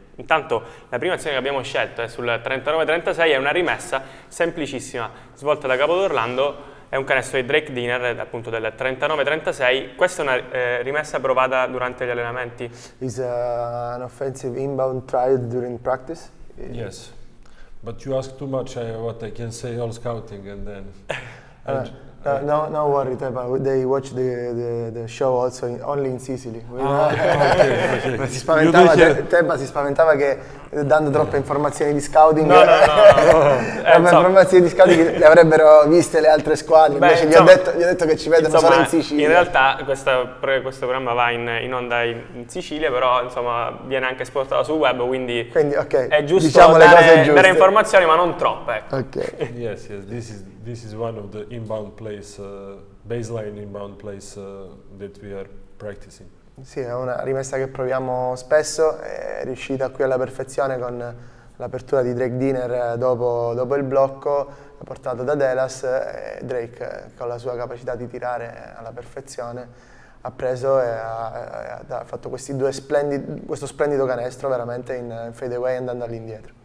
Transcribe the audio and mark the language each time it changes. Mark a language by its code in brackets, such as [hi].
[it] Intanto, la prima azione che abbiamo scelto è sul 39-36, è una rimessa semplicissima svolta da Capo d'Orlando. È un canestro di Drake Diner, appunto, del 39-36. Questa è una rimessa provata durante gli allenamenti? [en] Is an offensive inbound tried during practice? Yes. But you ask too much, what I can say, all scouting, and then No, no worry, Tepa. They watch the show also in, only in Sicily. Ah, okay, okay. [it] Si spaventava, Tepa si spaventava che dando troppe informazioni di scouting, informazioni di scouting le avrebbero viste le altre squadre. Beh, invece gli ho detto che ci vedono solo in Sicilia. In realtà questo programma va in onda in Sicilia, però insomma viene anche esportato sul web, quindi okay, è giusto, diciamo, dare informazioni, ma non troppe. Ok. [en] Yes, this is one of the inbound place, baseline inbound place that we are practicing. [it] Sì, è una rimessa che proviamo spesso, è riuscita qui alla perfezione con l'apertura di Drake Diner dopo il blocco portato da Delas, e Drake con la sua capacità di tirare alla perfezione ha preso e ha fatto questo splendido canestro veramente in fadeaway andando all'indietro.